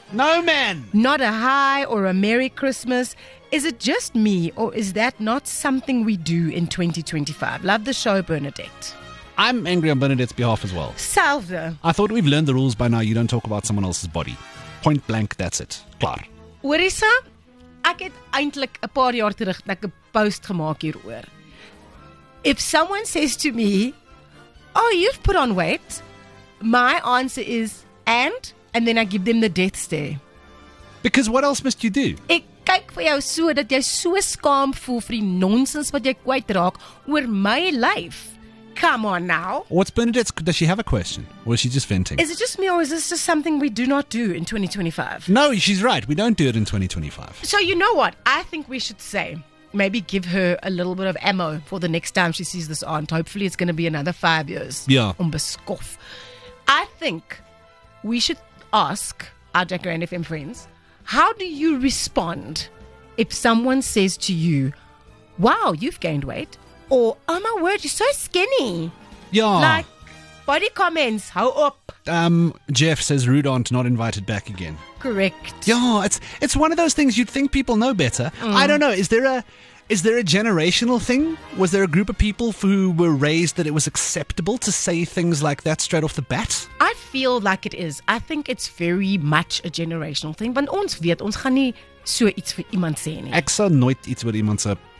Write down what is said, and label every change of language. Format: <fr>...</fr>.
<en>No, man. Not a hi or a Merry Christmas. Is it just me or is that not something we do in 2025? Love the show, Bernadette. I'm angry on Bernadette's behalf as well. Salve. I thought we've learned the rules by now. You don't talk about someone else's body. Point blank, that's it. Klaar.</en> <af>Orissa, ek het eintlik 'n paar jaar terug 'n post gemaak hieroor.</af> <en>If someone says to me, oh, you've put on weight, my answer is, and then I give them the death stare. Because what else must you do?</en> <af>Ek kyk vir jou so dat jy so skaam voel vir die nonsens wat jy kwytraak oor my lyf.</af> <en>Come on now. What's Bernadette's... Does she have a question? Or is she just venting? Is it just me or is this just something we do not do in 2025? No, she's right. We don't do it in 2025. So you know what? I think we should say, maybe give her a little bit of ammo for the next time she sees this aunt. Hopefully it's going to be another 5 years. Yeah.</en> <af>Onbeskof.</af> <en>I think we should ask our Jacaranda FM friends, how do you respond if someone says to you, wow, you've gained weight? Or, oh my word, you're so skinny. Yeah. Like, body comments, how up? Jeff says, rude aunt, not invited back again. Correct. Yeah, it's one of those things you'd think people know better. Mm. I don't know, is there a generational thing? Was there a group of people who were raised that it was acceptable to say things like that straight off the bat? I feel like it is. I think it's very much a generational thing.</en> <af>Want ons weet, ons gaan nie so iets vir iemand sê nie. Ek sal nooit iets vir iemand sê.</af>